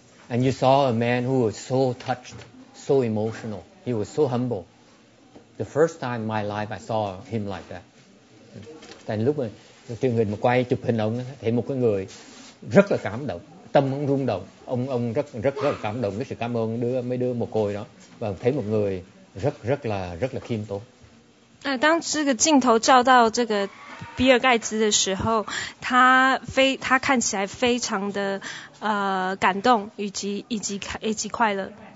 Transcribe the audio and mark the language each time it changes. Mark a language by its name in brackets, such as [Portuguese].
[English] And you saw a man who was so touched. So emotional. He was so humble. The first time in my life I saw him like that. [Vietnamese] Tại lúc mà truyền hình mà quay chụp hình ông thì một cái người rất là cảm động, tâm ông rung động. Ông rất là cảm động với sự cảm ơn mấy đứa mồ côi đó và thấy một người rất là khiêm tốn. [Chinese] 当这个镜头照到这个比尔盖茨的时候，他看起来非常的感动以及快乐。